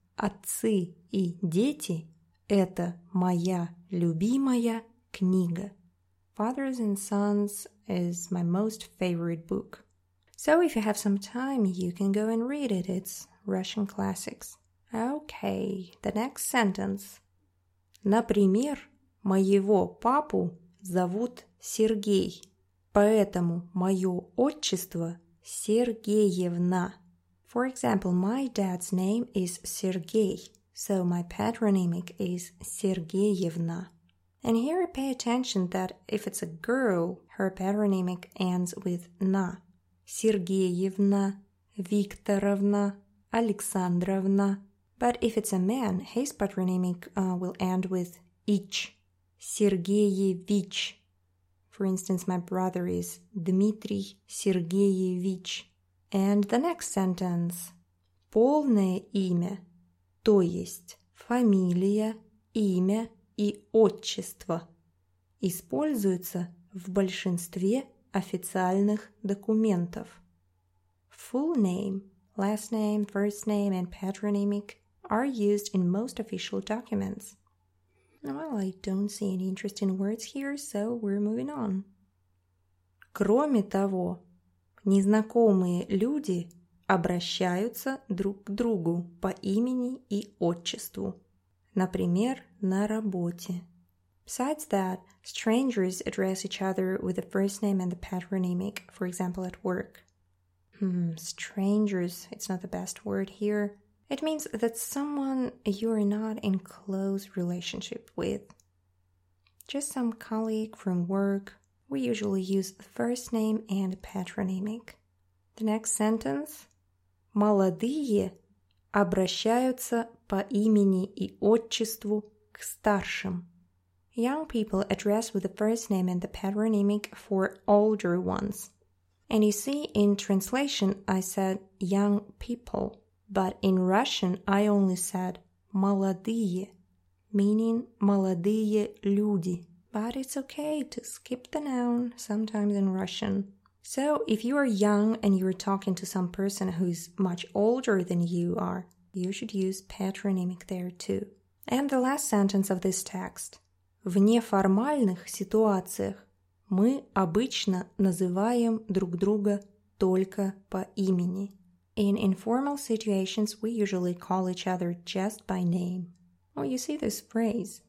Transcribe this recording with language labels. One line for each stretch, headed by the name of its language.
Russian: Отцы и дети – это моя любимая книга.
English: Fathers and Sons is my most favorite book. So if you have some time, you can go and read it. It's Russian classics. Okay, the next sentence.
Russian: Например, моего папу зовут Сергей. Поэтому моё отчество Сергеевна.
English: For example, my dad's name is Сергей, so my patronymic is Сергеевна. And here pay attention that if it's a girl, her patronymic ends with «на».
Russian: Сергеевна, Викторовна, Александровна.
English: But if it's a man, his patronymic will end with «ич».
Russian: Сергеевич.
English: For instance, my brother is Дмитрий Сергеевич. And the next sentence.
Russian: Полное имя, то есть фамилия, имя и отчество, используется в большинстве официальных документов.
English: Full name, last name, first name and patronymic are used in most official documents. Well, I don't see any interesting words here, so we're moving on.
Russian: Кроме того, незнакомые люди обращаются друг к другу по имени и отчеству. Например, на работе.
English: Besides that, strangers address each other with the first name and the patronymic, for example, at work. Strangers, it's not the best word here. It means that someone you're not in close relationship with. Just some colleague from work. We usually use the first name and patronymic. The next sentence.
Russian: Молодые обращаются по имени и отчеству к старшим.
English: Young people address with the first name and the patronymic for older ones. And you see, in translation I said young people, but in Russian I only said молодые, meaning
Russian: молодые люди.
English: But it's okay to skip the noun sometimes in Russian. So, if you are young and you are talking to some person who's much older than you are, you should use patronymic there too. And the last sentence of this text.
Russian: В неформальных ситуациях мы обычно называем друг друга только по имени.
English: In informal situations, we usually call each other just by name. Well, you see this phrase.